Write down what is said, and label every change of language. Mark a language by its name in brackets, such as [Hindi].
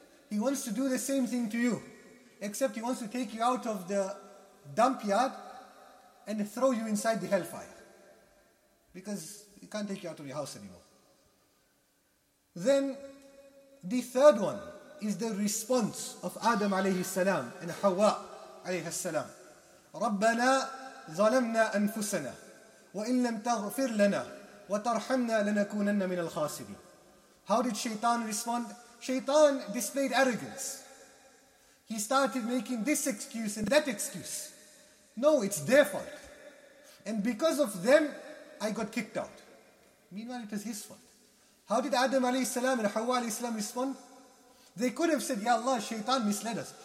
[English] He wants to do the same thing to you, except he wants to take you out of the dump yard and throw you inside the hellfire, because he can't take you out of your house anymore. Then the third one is the response of Adam alayhi salam and Hawa alayhi salam. [Arabic] ربنا ظلمنا أنفسنا وإن لم تغفر لنا وترحمنا لنكونن من الخاسرين. [English] How did Shaitan respond? Shaitan displayed arrogance. He started making this excuse and that excuse. No, it's their fault. And because of them, I got kicked out. Meanwhile, it was his fault. How did Adam alayhi salam and Hawa alayhi salam respond? They could have said, Ya Allah, Shaitan misled us.